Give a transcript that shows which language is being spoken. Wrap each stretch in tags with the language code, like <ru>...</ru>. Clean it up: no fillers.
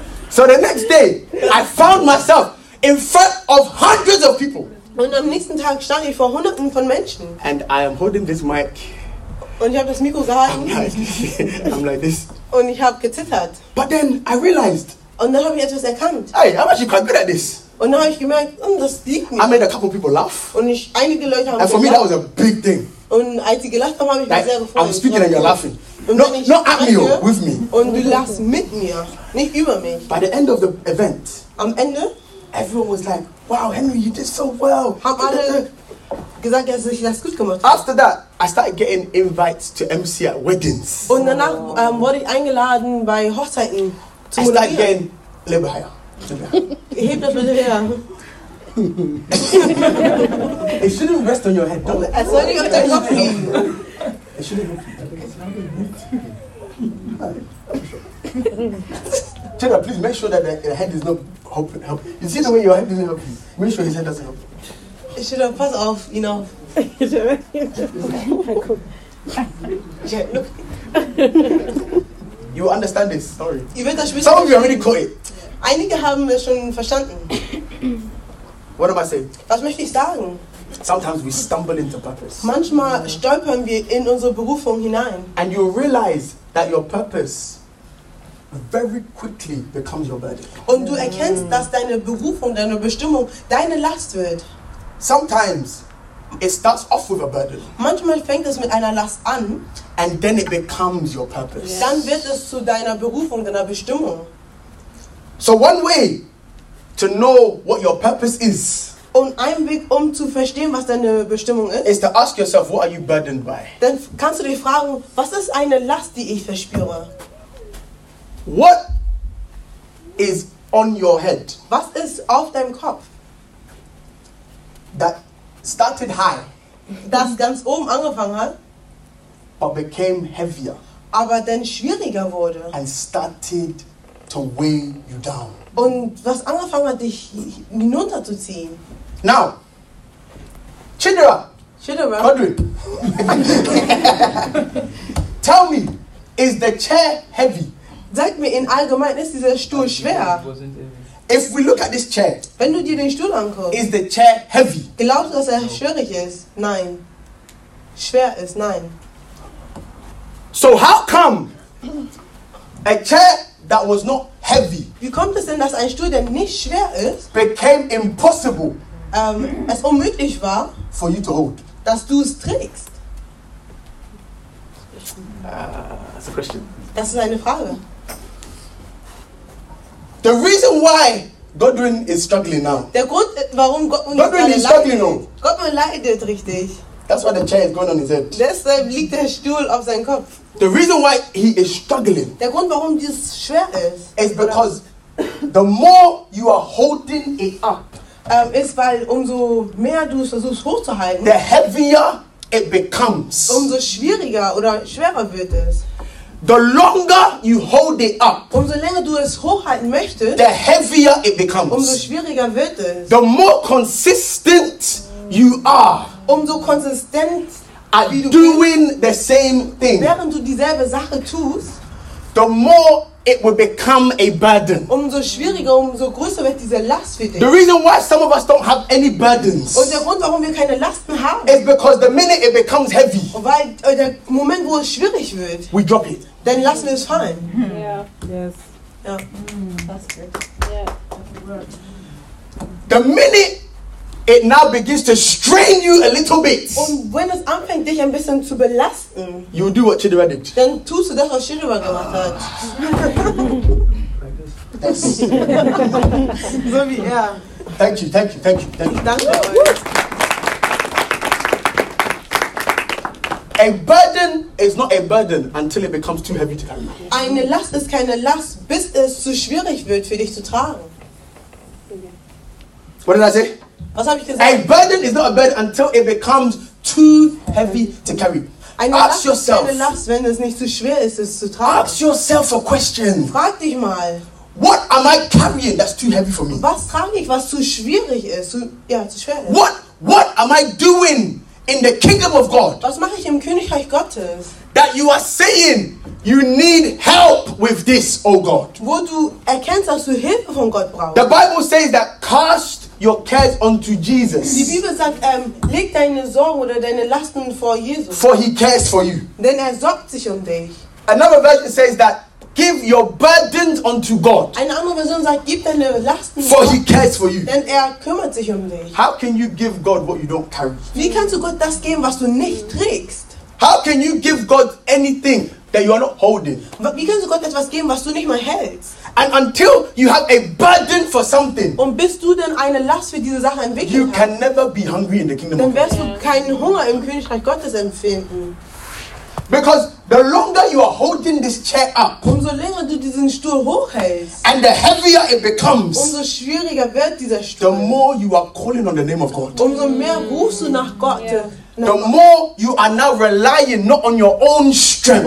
<en>So the next day, I found myself in front of hundreds of people.</en> <de>Und am nächsten Tag stand ich vor hunderten von Menschen.</de> <en>And I am holding this mic.</en> <de>Und ich habe das Mikro gehalten.</de> <en>I'm like this.</en> <de>Und ich habe gezittert.</de> <en>But then I realized.</en> <de>Und dann habe ich etwas erkannt.</de> <en>Hey, I'm actually quite good at this.</en> <de>Und dann habe ich gemerkt, das liegt mir.</de> <en>I made a couple people laugh.</en> <de>Und ich, einige Leute haben</de> <en>and for gelacht. Me, that was a big thing.</en> <de>Und als sie gelacht haben, habe ich mich sehr gefreut.</de> <en>I'm speaking and you're laughing. Not at me, with me.</en> <de>Und du lachst mit mir, nicht über mich.</de> <en>By the end of the event.</en> <de>Am Ende?</de> <en>Everyone was like, wow, Henry, you did so well.</en> <de>Haben alle</de> <en>Because I guess she has</en> <de>gut gemacht.</de> <en>After that, I started getting invites to MC at weddings.</en> <de>Und danach wurde ich eingeladen bei Hochzeiten zu moderieren.</de> <en>I started getting Lebe higher.</en> <de>Heb das bitte her.</de> <en>It shouldn't rest on your head, don't it? I saw you on the top of me. It shouldn't. Chira, please make sure that the head is not helping. Help. You see the way your head doesn't help you? Make sure his head doesn't help you. It should have passed off, you know. Look. You understand this, sorry. Some of you already caught it.</en> <de>Einige haben es schon verstanden.</de> <en>What am I saying?</en> <de>Was möchte ich sagen?</de> <en>Sometimes we stumble into purpose.</en> <de>Manchmal stolpern wir in unsere Berufung hinein.</de> <en>And you realize that your purpose very quickly becomes your burden.</en> <de>Und du erkennst, dass deine Berufung, deine Bestimmung, deine Last wird.</de> <en>Sometimes it starts off with a burden.</en> <de>Manchmal fängt es mit einer Last an.</de> <en>And then it becomes your purpose. Yes.</en> <de>Dann wird es zu deiner Berufung, deiner Bestimmung.</de> <en>So one way to know what your purpose is.</en> <de>Und ein Weg, um zu verstehen, was deine Bestimmung ist.</de> <en>Is to ask yourself, what are you burdened by?</en> <de>Dann kannst du dich fragen, was ist eine Last, die ich verspüre?</de> <en>What is on your head?</en> <de>Was ist auf deinem Kopf?</de> <en>That started high.</en> <de>Das ganz oben angefangen hat.</de> <en>But became heavier.</en> <de>Aber dann schwieriger wurde.</de> <en>And started to weigh you down.</en> <de>Und was angefangen hat, dich hinunterzuziehen.</de> <en>Now, Chidera. Chidera. Godwin. Tell me, is the chair heavy?</en> <de>Sag mir, in allgemein, ist dieser Stuhl schwer?</de> <en>If we look at this chair.</en> <de>Wenn du dir den Stuhl anguckst.</de> <en>Is the chair heavy?</en> <de>Glaubst du, dass schwierig ist? Nein. Schwer ist? Nein.</de> <en>So how come a chair that was not heavy.</en> <de>Wie kommt es denn, dass ein Stuhl, der nicht schwer ist,</de> <en>became impossible,</en> <de>es unmöglich war,</de> <en>for you to hold,</en> <de>dass du es trägst?</de> <en>That's a question.</en> <de>Das ist eine Frage.</de> <en>The reason why Godwin is struggling now.</en> <de>Der Grund, warum</de> <en>Godwin is struggling now.</en> <de>Godwin leidet richtig.</de> <en>That's why the chair is going on his head.</en> <de>Deshalb liegt der Stuhl auf seinem Kopf.</de> <en>The reason why he is struggling.</en> <de>Der Grund, warum dies schwer ist.</de> <en>Is because the more you are holding it up.</en> <de>Ist weil umso mehr du es versuchst hochzuhalten.</de> <en>The heavier it becomes.</en> <de>Umso schwieriger oder schwerer wird es.</de> <en>The longer you hold it up.</en> <de>Umso länger du es hochhalten möchtest.</de> <en>The heavier it becomes.</en> <de>Umso schwieriger wird es.</de> <en>The more consistent you are.</en> <de>Umso konsistent</de> <en>at doing the same thing.</en> <de>Während du dieselbe Sache tust,</de> <en>the more it will become a burden.</en> <de>Umso schwieriger, umso größer wird diese Last für dich.</de> <en>The reason why some of us don't have any burdens.</en> <de>Und der Grund, warum wir keine Lasten haben,</de> <en>is because the minute it becomes heavy.</en> <de>Weil der Moment, wo es schwierig wird,</de> <en>we drop it.</en> <de>Dann lassen wir es fallen.</de> <en>Yeah. Yes. Yeah. That's good. Yeah. The minute it now begins to strain you a little bit.</en> <de>Und wenn es anfängt, dich ein bisschen zu belasten,</de> <en>you do what Chidera did.</en> <de>Dann tust du das, was Chidera gemacht hat. So wie er.</de> <en>Thank you, thank you, thank you, thank you.</en> <de>Danke euch.</de> <en>A burden is not a burden until it becomes too heavy to carry.</en> <de>Eine Last ist keine Last, bis es zu schwierig wird für dich zu tragen.</de> <en>What did I say?</en> <de>Was habe ich gesagt?</de> <en>A burden is not a burden until it becomes too heavy to carry.</en> <de>Eine Last,</de> <en>ask yourself,</en> <de>eine Last, wenn es nicht zu schwer ist, es zu tragen.</de> <en>Ask yourself a question.</en> <de>Frag dich mal.</de> <en>What am I carrying that's too heavy for me?</en> <de>Was trage ich, was zu schwierig ist, zu schwer ist?</de> <en>What am I doing in the kingdom of God?</en> <de>Was mache ich im Königreich Gottes?</de> <en>That you are saying you need help with this, oh God.</en> <de>Wo du erkennst, dass du Hilfe von Gott brauchst.</de> <en>The Bible says that cast your cares unto Jesus.</en> <de>Die Bibel sagt, leg deine Sorgen oder deine Lasten vor Jesus.</de> <en>For he cares for you.</en> <de>Denn sorgt sich um dich.</de> <en>Another version says that give your burdens unto God.</en> <de>Eine andere Version sagt, gib deine Lasten.</de> <en>For he cares for you.</en> <de>Denn kümmert sich um dich.</de> <en>How can you give God what you don't carry?</en> <de>Wie kannst du Gott das geben, was du nicht trägst?</de> <en>How can you give God anything that you are not holding. But because</en> <de>Gott etwas geben, was du nicht mal hältst.</de> <en>And until you have a burden for something,</en> <de>und bist du denn eine Last für diese Sache entwickelt hast,</de> <en>you can never be hungry in the kingdom.</en> <de>Dann wirst du keinen Hunger im Königreich Gottes empfinden.</de> <en>Because the longer you are holding this chair up,</en> <de>umso länger du diesen Stuhl hochhältst,</de> <en>and the heavier it becomes,</en> <de>umso schwieriger wird dieser Stuhl.</de> <en>The more you are calling on the name of God,</en> <de>umso mehr rufst du nach Gott. Yeah.</de> <en>The more you are now relying not on your own strength,</en>